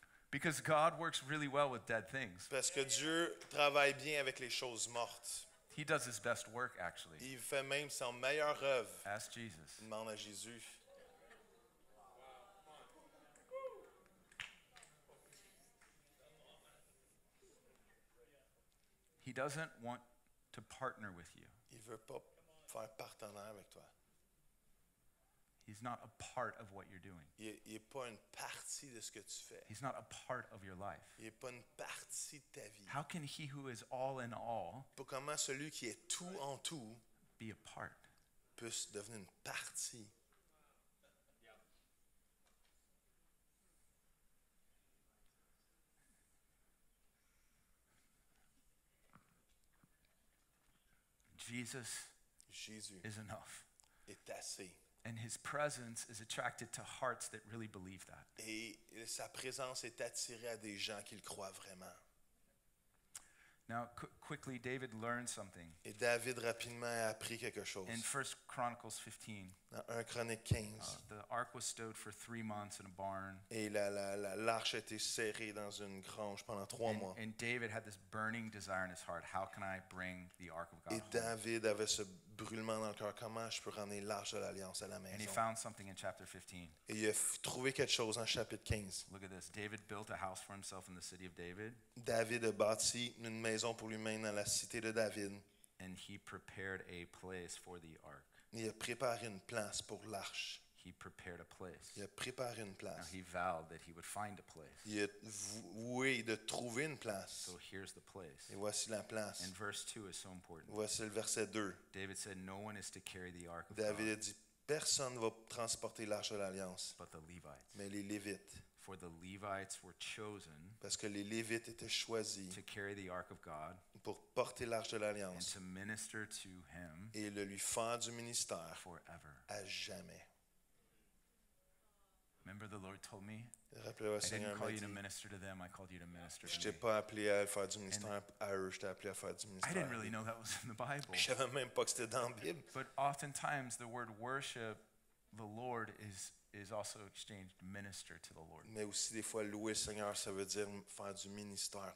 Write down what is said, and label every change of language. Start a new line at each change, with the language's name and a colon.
English: Because God works really well with dead things.
French: Parce que Dieu travaille bien avec les choses mortes.
English: He does his best work, actually.
French: Il fait même son meilleur œuvre.
English: Ask Jesus.
French: Demande à Jésus.
English: He doesn't want to partner with you.
French: Il veut pas faire partenaire avec toi.
English: He's not a part of what you're doing.
French: Il est pas une partie de ce que tu fais.
English: He's not a part of your life.
French: Il est pas une partie de ta vie.
English: How can he who is all in all
French: comment celui qui est tout en tout
English: be a part?
French: Puisse devenir une partie.
English: Jesus
French: Jésus
English: is enough.
French: Est assez.
English: And his presence is attracted to hearts that really believe that.
French: Et sa présence est attirée à des gens qui le croient vraiment.
English: Now, quickly, David learned something.
French: Et David rapidement a appris quelque chose.
English: In 1 Chronicles 15.
French: Dans 1 Chronique 15.
English: The ark was stowed for 3 months in a barn.
French: Et l'arche a été serrée dans une grange pendant 3 mois.
English: And David had this burning desire in his heart. How can I bring the ark of God?
French: Et David avait ce brûlement dans le cœur. Comment je peux ramener l'arche de l'alliance à la maison?
English: And he found something in chapter 15.
French: Et il a trouvé quelque chose en chapitre 15.
English: Look at this. David built a house for himself in the city of David.
French: David a bâti une maison pour lui-même dans la cité de David.
English: And he prepared a place for the ark.
French: Il a préparé une place pour l'arche.
English: He prepared a place.
French: Il a préparé une place.
English: Now he vowed that he would find a place.
French: Il a voué de trouver une place.
English: So here's the place.
French: Et voici la place.
English: And verse 2 is so important.
French: Voici le verset 2.
English: David said, "No one is to carry the ark of God."
French: David a dit, personne ne va transporter l'arche de l'alliance.
English: But the Levites.
French: Mais les Lévites.
English: For the Levites were chosen.
French: Parce que les Lévites étaient choisis.
English: To carry the ark of God.
French: Pour porter l'arche de l'alliance.
English: And to minister to him.
French: Et le lui faire du ministère.
English: Forever.
French: À jamais.
English: Remember the Lord told me.
French: Rappelez-vous, Seigneur m'a dit.
English: I didn't call you to minister to them. I called you to minister to me.
French: Je t'ai pas appelé à faire du ministère à eux. Je t'ai appelé à faire du ministère.
English: I didn't really know that was in the Bible.
French: Je savais même pas que c'était dans la Bible.
English: But oftentimes the word worship, the Lord is also exchanged minister to the Lord.
French: Mais aussi des fois louer le Seigneur, ça veut dire faire du ministère.